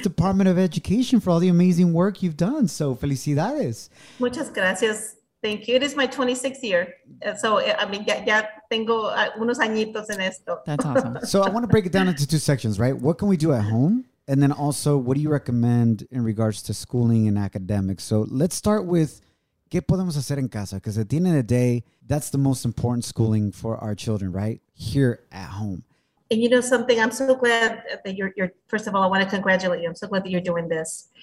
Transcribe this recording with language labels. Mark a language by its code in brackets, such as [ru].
[en] Department of Education for all the amazing work you've done. [es] So, felicidades. Muchas gracias. [en] Thank you. It is my 26th year. So, I mean, [es] ya tengo unos añitos en esto. [en] That's awesome. So, I want to break it down into two sections, right? What can we do at home? And then also, what do you recommend in regards to schooling and academics? So, let's start with, [es] ¿qué podemos hacer en casa? [en] Because at the end of the day, that's the most important schooling for our children, right? Here at home. And you know something? I'm so glad that you're first of all, I want to congratulate you. I'm so glad that you're doing this.